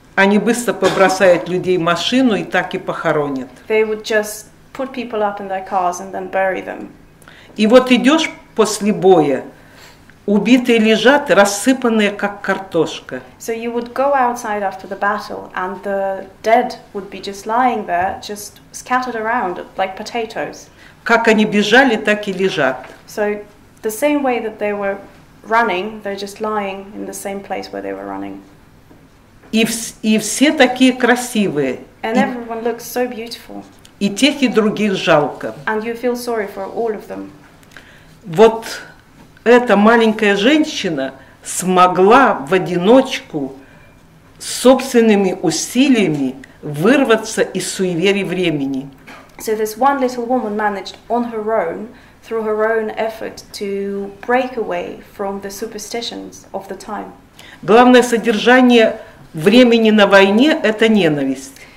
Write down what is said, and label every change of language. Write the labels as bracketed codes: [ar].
[ru] Они быстро побросают людей в машину и так и похоронят. [en] They would just put people up in their cars and then bury them. [ru] И вот идешь после боя, убитые лежат, рассыпанные как картошка. [en] So you would go outside after the battle, and the dead would be just lying there, just scattered around like potatoes. [ru] Как они бежали, так и лежат. [en] So the same way that they were running, they're just lying in the same place where they were running. [ru] И все такие красивые. [en] And everyone looks so beautiful. [ru] И тех, и других жалко. [en] And you feel sorry for all of them. [ru] Вот эта маленькая женщина смогла в одиночку собственными усилиями вырваться из суеверий времени. [en] So this one little woman managed on her own, through her own effort, to break away from the superstitions of the time. [ru] Главное содержание времени на войне – это ненависть.